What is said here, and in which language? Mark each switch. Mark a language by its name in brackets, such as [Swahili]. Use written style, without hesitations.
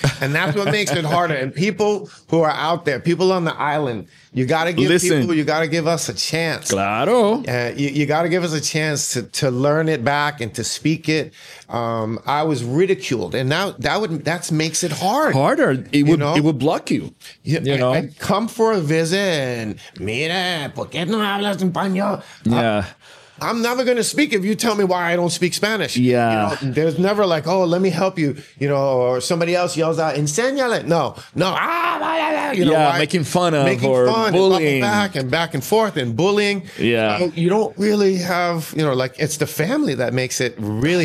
[English] And that's what makes it harder. And people who are out there, people on the island... You got to give people, you got to give us a chance. [Spanish] Claro. [English] You got to give us a chance to learn it back and to speak it. I was ridiculed. And now that makes it hard. Harder. It would block you. You know? I come for a visit and, [Spanish] mira, ¿por qué no hablas español? [English] Yeah. I'm never going to speak if you tell me why I don't speak Spanish. Yeah. You know, there's never like, oh, let me help you, you know, or somebody else yells out, [Spanish] enséñale. [English] No. Ah, blah, blah, blah. You know, making fun of or bullying. And back and forth and bullying. Yeah. So you don't really have, you know, like it's the family that makes it really